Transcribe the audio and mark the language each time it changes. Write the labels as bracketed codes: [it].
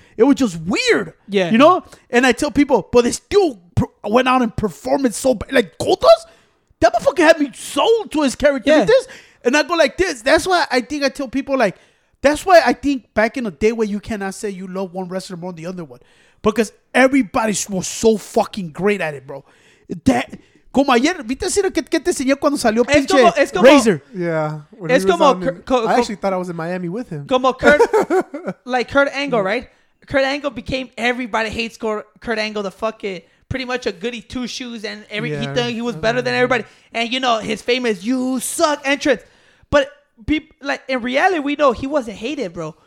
[en] It was just weird, you know? And I tell people, but it still went out and performed so bad. Like, Goldust? That motherfucker had me sold to his character like this. And I go like this. That's why I think I tell people, like, that's why I think back in the day where you cannot say you love one wrestler more than the other one. Because everybody was so fucking great at it, bro. That... [es] Como ayer, ¿viste si lo que te enseñé cuando salió pinche Razor? [en] Yeah. [es] Es como [en] I actually thought I was in Miami with him. Como Kurt, like Kurt Angle, right? Kurt Angle became everybody hates Kurt Angle, the fuck it. Pretty much a goody two shoes, and he was better than everybody. And you know, his famous "you suck" entrance. But in reality, we know he wasn't hated, bro.